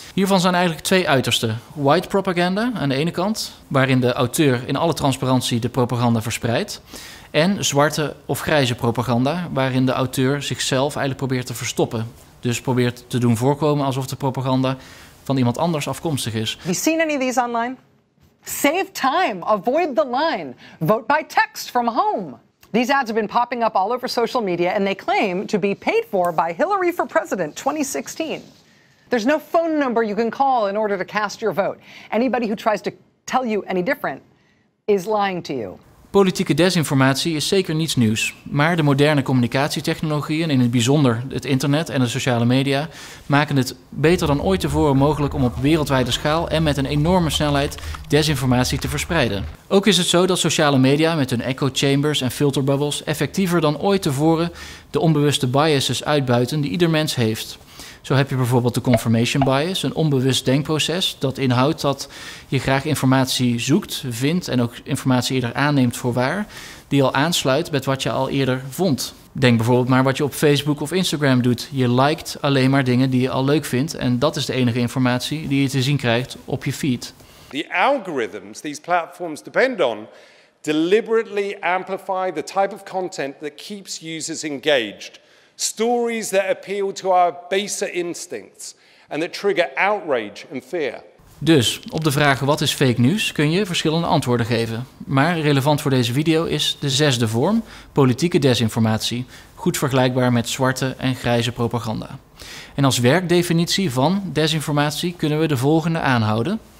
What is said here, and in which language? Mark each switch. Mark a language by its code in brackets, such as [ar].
[nl] Hiervan zijn eigenlijk twee uitersten. [en] White propaganda [nl] aan de ene kant, waarin de auteur in alle transparantie de propaganda verspreidt. En zwarte of grijze propaganda, waarin de auteur zichzelf eigenlijk probeert te verstoppen. Dus probeert te doen voorkomen alsof de propaganda van iemand anders afkomstig is. [en] Have you seen any of these online? Save time, avoid the line, vote by text from home. These ads have been popping up all over social media and they claim to be paid for by Hillary for president 2016. There's no phone number you can call in order to cast your vote. Anybody who tries to tell you any different is lying to you. [nl] Politieke desinformatie is zeker niets nieuws, maar de moderne communicatietechnologieën, in het bijzonder het internet en de sociale media, maken het beter dan ooit tevoren mogelijk om op wereldwijde schaal en met een enorme snelheid desinformatie te verspreiden. Ook is het zo dat sociale media met hun echo chambers en filterbubbles effectiever dan ooit tevoren de onbewuste biases uitbuiten die ieder mens heeft. Zo heb je bijvoorbeeld de confirmation bias, een onbewust denkproces dat inhoudt dat je graag informatie zoekt, vindt en ook informatie eerder aanneemt voor waar, die al aansluit met wat je al eerder vond. Denk bijvoorbeeld maar wat je op Facebook of Instagram doet. Je liked alleen maar dingen die je al leuk vindt en dat is de enige informatie die je te zien krijgt op je feed. [en] The algorithms these platforms depend on deliberately amplify the type of content that keeps users engaged. Stories that appeal to our baser instincts and that trigger outrage and fear. [nl] Dus, op de vraag wat is fake news kun je verschillende antwoorden geven. Maar relevant voor deze video is de zesde vorm, politieke desinformatie, goed vergelijkbaar met zwarte en grijze propaganda. En als werkdefinitie van desinformatie kunnen we de volgende aanhouden.